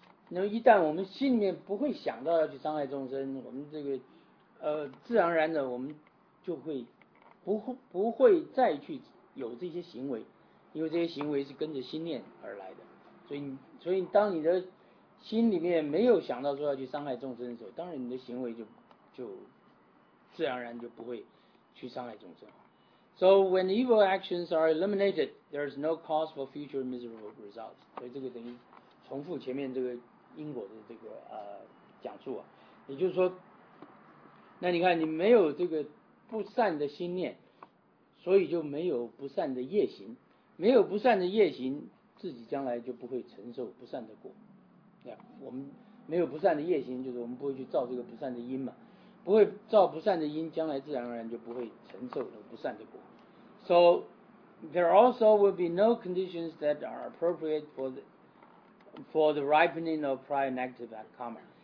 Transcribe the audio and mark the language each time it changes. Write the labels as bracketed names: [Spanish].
[Chinese] 那么一旦我们心里面不会想到要去伤害众生，我们这个自然而然的我们就会不会再去有这些行为，因为这些行为是跟着心念而来的。所以当你的心里面没有想到说要去伤害众生的时候，当然你的行为就自然而然就不会去伤害众生。 [English] So when evil actions are eliminated, there is no cause for future miserable results. [Chinese] 所以这个等于重复前面这个因果的这个讲述啊，也就是说，那你看你没有这个不善的心念，所以就没有不善的业行，没有不善的业行，自己将来就不会承受不善的果。我们没有不善的业行，就是我们不会去造这个不善的因嘛，不会造不善的因，将来自然而然就不会承受不善的果。 [English] So there also will be no conditions that are appropriate for the ripening of prior negative karma.